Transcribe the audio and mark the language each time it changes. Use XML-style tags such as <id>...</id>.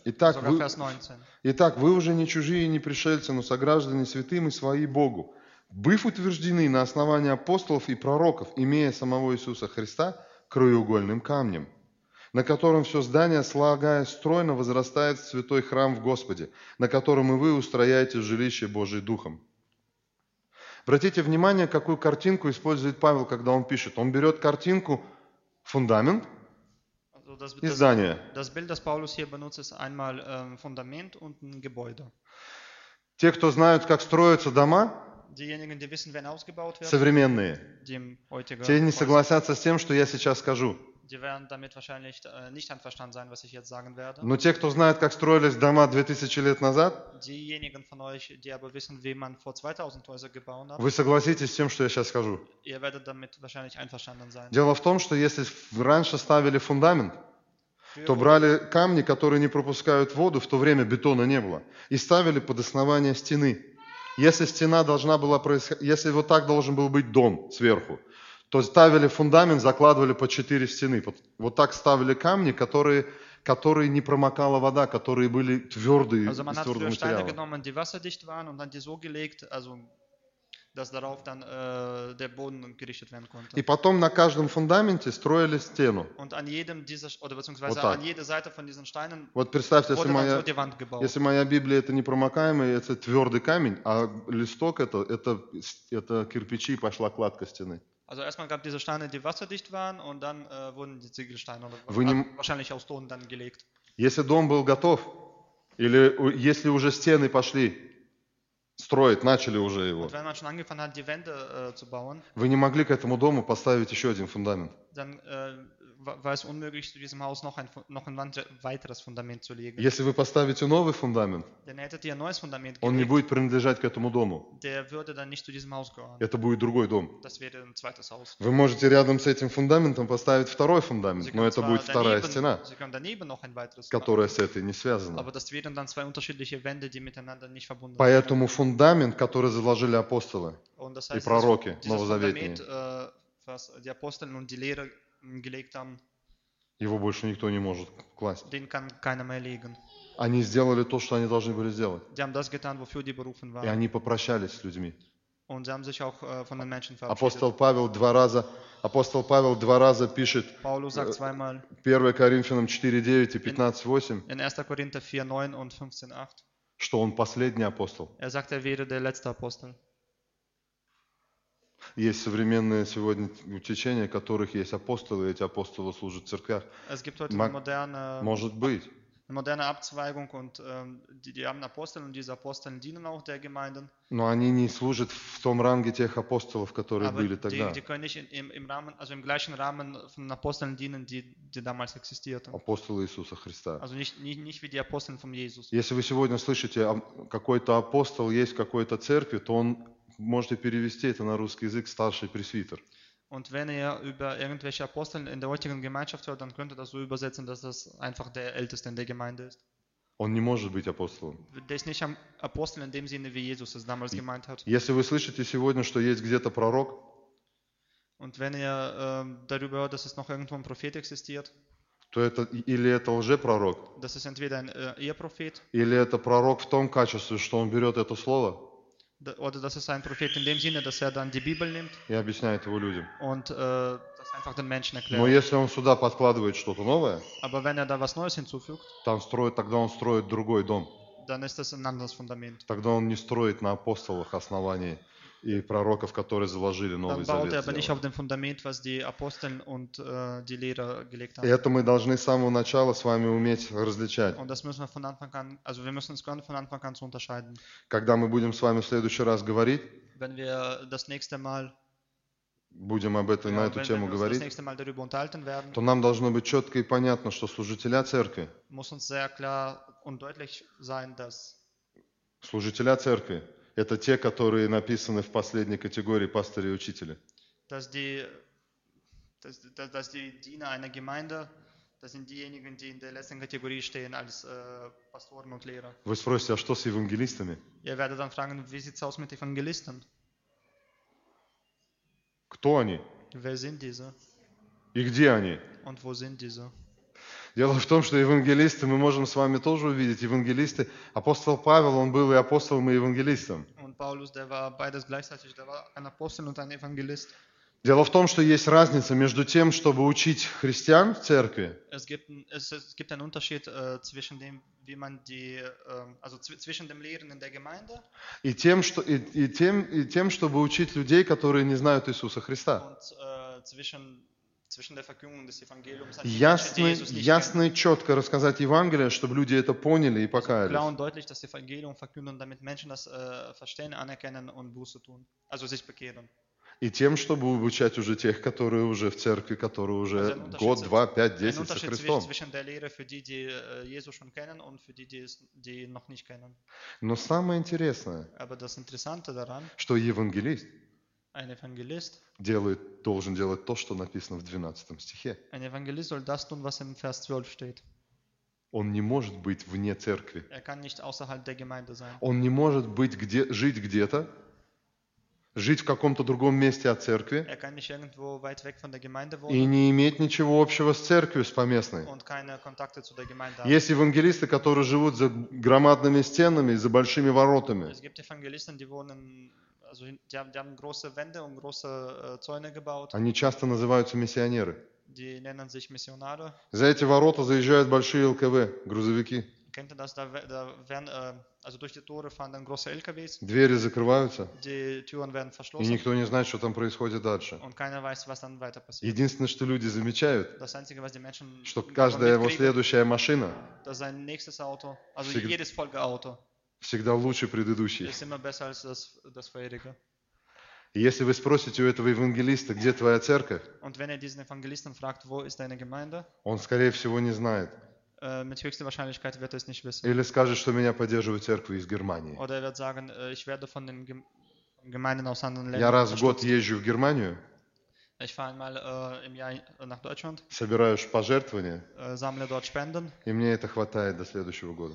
<ru>Итак, вы уже не чужие и не пришельцы, но сограждане святым и свои Богу, быв утверждены на основании апостолов и пророков, имея самого Иисуса Христа краеугольным камнем, на котором все здание, слагая стройно, возрастает в святой храм в Господе, на котором и вы устрояете жилище Божие Духом. Обратите внимание, какую картинку использует Павел, когда он пишет. Он берет картинку «фундамент», и здание.</ru> <de>Das Bild, das Paulus hier benutzt, ist einmal Fundament und ein Gebäude.</de> <ru>Те, кто знают, как строятся дома,</ru> <de>diejenigen, die wissen, wenn ausgebaut wird,</de> <ru>современные, те не согласятся с тем, что я сейчас скажу.</ru> <de>Die werden damit wahrscheinlich nicht einverstanden sein, was ich jetzt sagen werde.</de> <ru>Но те, кто знают, как строились дома 2000 лет назад,</ru> <de>diejenigen von euch, die aber wissen, wie man vor 2000 Häuser gebaut hat,</de> <ru>вы согласитесь с тем, что я сейчас скажу.</ru> <de>Ihr werdet damit wahrscheinlich einverstanden sein.</de> <ru>Дело в том, что если раньше ставили фундамент, то брали камни, которые не пропускают воду, в то время бетона не было, и ставили под основание стены. Если стена должна была происходить, если вот так должен был быть дом сверху, то ставили фундамент, закладывали по четыре стены. Вот так ставили камни, которые не промокала вода, которые были твердые, из твердого материала. И потом на каждом фундаменте строили стену. Вот представьте, если моя Библия это непромокаемый, это твердый камень, а листок это кирпичи, пошла кладка стены.</ru> <de>Also erstmal gab diese Steine, die wasserdicht waren, und dann wurden die Ziegelsteine wahrscheinlich aus Ton dann gelegt.</de> <ru>Если дом был готов, или если уже стены пошли строить, начали уже его,</ru> <de>und wenn man schon angefangen hat, die Wände zu bauen,</de> <ru>вы не могли к этому дому поставить еще один фундамент.</ru> <de>Dann war es unmöglich, zu diesem Haus noch ein weiteres Fundament zu legen.</de> <ru>Если вы поставите новый фундамент,</ru> <de>dann hättet ihr neues Fundament gelegt,</de> <ru>он не будет принадлежать к этому дому.</ru> <de>Der würde dann nicht zu diesem Haus gehören.</de> <ru>Это будет другой дом.</ru> <de>Das wäre ein zweites Haus.</de> <ru>Вы можете рядом с этим фундаментом поставить второй фундамент,</ru> <de>Sie</de> <ru>но это будет вторая стена,</ru> <de>Sie können daneben noch ein weiteres,</de> <ru>которая с этой не связана.</ru> <de>Aber das wären dann zwei unterschiedliche Wände, die miteinander nicht verbunden sind.</de> <ru>Поэтому фундамент, который заложили апостолы и пророки новозаветные,</ru> <de>was die Aposteln und die Lehrer gelegt haben,</de> <ru>его больше никто не может класть.</ru> <de>Den kann keiner mehr legen.</de> <ru>Они сделали то, что они должны были сделать.</ru> <de>Die haben das getan, wofür die berufen waren.</de> <ru>И они попрощались с людьми.</ru> <de>Und sie haben sich auch von den Menschen verabschiedet. Apostel Paulus zwei Mal</de> <ru>пишет,</ru> <de>Paulus sagt zweimal,</de> <ru>1. Коринфянам 4:9 и 15:8,</ru> <de>in 1. Korinther 4:9 und 15:8,</de> <ru>что он последний апостол.</ru> <de>Er sagt, er wäre der letzte Apostel.</de> <ru>Есть современные сегодня течения, в которых есть апостолы, и эти апостолы служат в церквях.</ru> <de>Es gibt heute moderne Abzweigung und die haben Apostel und diese Apostel dienen auch der Gemeinden.</de> <ru>Но они не служат в том ранге тех апостолов, которые</ru> <de>aber</de> <ru>были тогда.</ru> <de>Die können nicht im Rahmen, also im gleichen Rahmen von Aposteln dienen, die damals existierten.</de> <ru>Апостолы Иисуса Христа.</ru> <de>Also nicht wie die Apostel von Jesus.</de> <ru>Если вы сегодня слышите, какой-то апостол есть в какой-то церкви, то он можете перевести это на русский язык старший пресвитер.</ru> <de>Und wenn ihr über irgendwelche Aposteln in der heutigen Gemeinschaft hört, dann könnt ihr das so übersetzen, dass das einfach der Älteste in der Gemeinde ist.</de> <ru>Он не может быть апостолом.</ru> <de>Der ist nicht Apostel in dem Sinne, wie Jesus es damals gemeint hat.</de> <ru>Если вы слышите сегодня, что есть где-то пророк,</ru> <de>und wenn ihr darüber hört, dass es noch irgendwo ein Prophet existiert,</de> <ru>то это или это лжепророк,</ru> <de>das ist entweder ein Ehepropheten,</de> <ru>или это пророк в том качестве, что он берет это слово,</ru> <de>oder das ist ein Prophet in dem Sinne, dass er dann die Bibel nimmt</de> <ru>и объясняет его людям.</ru> <de>Und das einfach den Menschen erklärt.</de> <ru>Но если он сюда подкладывает что-то новое,</ru> <de>aber wenn er da was Neues hinzufügt,</de> <ru>там строит, тогда он строит другой дом.</ru> <de>Dann ist das ein anderes Fundament.</de> <ru>Тогда он не строит на апостолах основании и пророков, которые заложили Новый Завет.</ru> <de>Dann baut er aber nicht auf dem Fundament, was die Aposteln und die Lehrer gelegt haben.</de> <ru>И это мы должны с самого начала с вами уметь различать.</ru> <de>Und das müssen wir von Anfang an, also wir müssen es können von Anfang an zu unterscheiden.</de> <ru>Когда мы будем с вами в следующий раз говорить,</ru> <de>wenn wir das nächste Mal</de> <ru>будем об этом, на эту тему говорить,</ru> <de>das nächste Mal darüber unterhalten werden,</de> <ru>то нам должно быть четко и понятно, что служители церкви,</ru> <de>muss uns sehr klar und deutlich sein, dass</de> <ru>служители церкви, это те, которые написаны в последней категории пастыри и учители.</ru> <de>Dass die Diener einer Gemeinde, das sind diejenigen, die in der letzten Kategorie stehen als Pastoren und Lehrer.</de> <ru>Вы спросите, а что с евангелистами?</ru> <de>Ihr werdet dann fragen, wie sieht's aus mit Evangelisten?</de> <ru>Кто они?</ru> <de>Wer sind diese?</de> <ru>И где они?</ru> <de>Und wo sind diese?</de> <ru>Дело в том, что евангелисты, мы можем с вами тоже увидеть, евангелисты, апостол Павел, он был и апостолом, и евангелистом.</ru> <de>Und Paulus, der war beides gleichzeitig, der war ein Apostel und ein Evangelist.</de> <ru>Дело в том, что есть разница между тем, чтобы учить христиан в церкви.</ru> <de>Es gibt einen Unterschied zwischen dem, wie man die, also zwischen dem Lehren in der Gemeinde</de> <ru>и тем, чтобы учить людей, которые не знают Иисуса Христа.</ru> <de>Und, zwischen der Verkündigung des Evangeliums,</de> <ru>ясно и четко рассказать Евангелие, чтобы люди это поняли и покаялись.</ru> <de>Klar und deutlich das Evangelium verkünden, damit Menschen das verstehen, anerkennen und Buße tun, also sich bekehren.</de> <ru>И тем, чтобы обучать уже тех, которые уже в церкви, которые уже год, два, пять, десять со Христом.</ru> <de>Zwischen der Lehre für die, die Jesus schon kennen, und für die, die noch nicht kennen.</de> <ru>Но самое интересное,</ru> <de>aber das Interessante daran,</de> <ru>что Евангелист,</ru> <de>ein Evangelist,</de> <ru>должен делать то, что написано в 12 стихе.</ru> <de>Ein Evangelist soll das tun, was im Vers 12 steht.</de> <ru>Он не может быть вне церкви.</ru> <de>Er kann nicht außerhalb der Gemeinde sein.</de> <ru>Он не может быть жить где-то, жить в каком-то другом месте от церкви,</ru> <de>er kann nicht irgendwo weit weg von der Gemeinde wohnen,</de> <ru>и не иметь ничего общего с церковью, с поместной.</ru> <de>Und keine Kontakte zu der Gemeinde.</de> <ru>Есть евангелисты, которые живут за громадными стенами, за большими воротами.</ru> <de>Es gibt Evangelisten, die wohnen, also die haben große Wände und große Zäune gebaut.</de> <ru>Они часто называются миссионеры.</ru> <de>Die nennen sich Missionare.</de> <ru>За эти ворота заезжают большие ЛКВ, грузовики.</ru> <de>Kennt ihr das, da werden, also durch die Tore fahren dann große LKWs.</de> <ru>Двери закрываются.</ru> <de>Die Türen werden verschlossen.</de> <ru>И никто не знает, что там происходит дальше.</ru> <de>Und keiner weiß, was dann weiter passiert.</de> <ru>Единственное, что люди замечают,</ru> <de>das Einzige, was die Menschen,</de> <ru>что каждая его следующая машина,</ru> <de>dass sein nächstes Auto, also jedes Folgeauto,</de> <ru>всегда лучше предыдущей.</ru> <de>Ist immer besser als das vorherige.</de> <ru>Если вы спросите у этого евангелиста, где твоя церковь,</ru> <de>und wenn ihr diesen Evangelisten fragt, wo ist deine Gemeinde,</de> <ru>он, скорее всего, не знает.</ru> <de>Mit höchster Wahrscheinlichkeit wird er es nicht wissen.</de> <ru>Или скажет, что меня поддерживают церкви из Германии.</ru> <de>Oder er wird sagen, ich werde von den Gemeinden aus anderen Ländern.</de> <ru>Я раз в год езжу в Германию.</ru> <de>Ich fahre einmal im Jahr nach Deutschland.</de> <ru>Собираю пожертвования.</ru> <de>Sammle dort Spenden.</de> <ru>И мне это хватает до следующего года.</ru>